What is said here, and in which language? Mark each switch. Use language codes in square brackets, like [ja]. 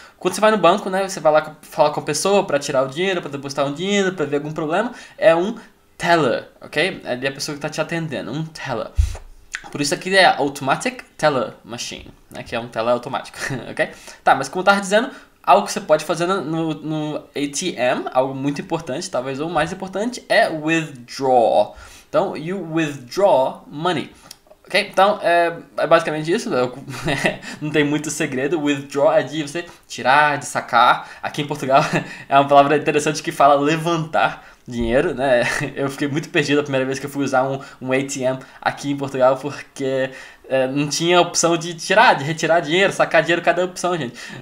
[pt] Quando você vai no banco, né, você vai lá falar com a pessoa para tirar o dinheiro, para depositar um dinheiro, para ver algum problema, é um teller, ok? É ali a pessoa que está te atendendo, um teller. Por isso aqui é Automatic Teller Machine, né, que é um teller automático, ok? Tá, mas como eu estava dizendo, algo que você pode fazer no ATM, algo muito importante, talvez o mais importante, é withdraw. Então, [en] you withdraw money. [pt] Ok, então é basicamente isso, não tem muito segredo. Withdraw é de você tirar, de sacar. Aqui em Portugal é uma palavra interessante que fala levantar dinheiro, né? Eu fiquei muito perdido a primeira vez que eu fui usar um ATM aqui em Portugal porque não tinha opção de tirar, de retirar dinheiro, sacar dinheiro, cada opção, gente.